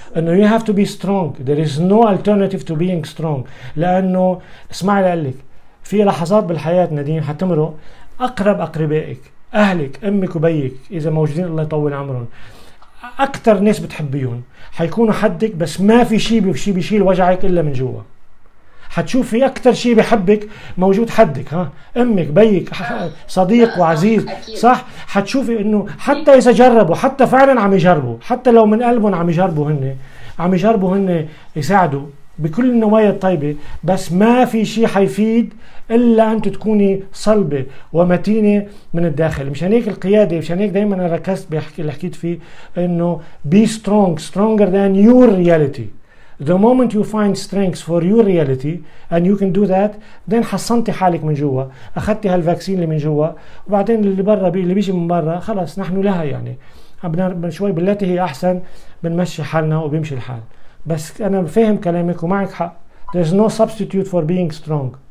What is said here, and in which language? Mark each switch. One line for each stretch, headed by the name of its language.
Arabic: انه
English: you have to be strong. There is no alternative to being strong.
Arabic: لانه اسمعي لقلك، في لحظات بالحياة نديم حتمروا اقرب اقربائك، اهلك، امك وبيك اذا موجودين الله يطول عمرهم، اكتر ناس بتحبيهم حيكونوا حدك، بس ما في شيء بيشيل وجعك الا من جوا. حتشوف في اكتر شيء بحبك موجود حدك، ها امك بيك صديق وعزيز صح، حتشوفي انه حتى اذا جربوا، حتى فعلا عم يجربوا، حتى لو من قلبهم عم يجربوا، هن عم يجربوا هن يساعدوا بكل النوايا الطيبه، بس ما في شيء حيفيد الا انت تكوني صلبه ومتينه من الداخل. مشان هيك القياده، مشان هيك دائما انا ركزت بحكي اللي حكيت فيه انه
English: Be strong, stronger than your reality. The moment you find strengths for your reality and you can do that,
Arabic: then حصنتي حالك من جوا، أخذتي هالفاكسين اللي من جوا، وبعدين اللي برا اللي بيجي من برا خلاص نحن لها يعني، شوي بالتي هي أحسن بنمشي حالنا وبيمشي الحال. بس أنا فاهم كلامك ومعك حق.
English: There's no substitute for being strong.